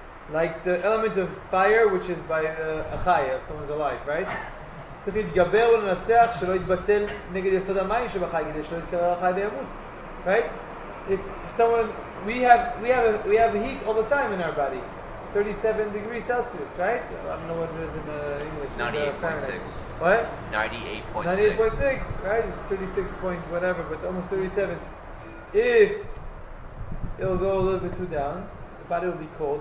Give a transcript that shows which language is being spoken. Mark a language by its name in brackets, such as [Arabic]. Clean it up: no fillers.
[English] Like the element of fire, which is by achai, if someone's alive, right? [Hebrew] צריך להתגבר ולנצח שלא יתבטל נגד יסוד המים שבחי כדי שלא יתקרר לחי וימות. [English] Right? If someone, we have heat all the time in our body. 37 degrees Celsius, right? I don't know what it is in English. 98.6. What? 98.6. 98.6, right? It's 36 point whatever, but almost 37. If it'll go a little bit too down, the body will be cold.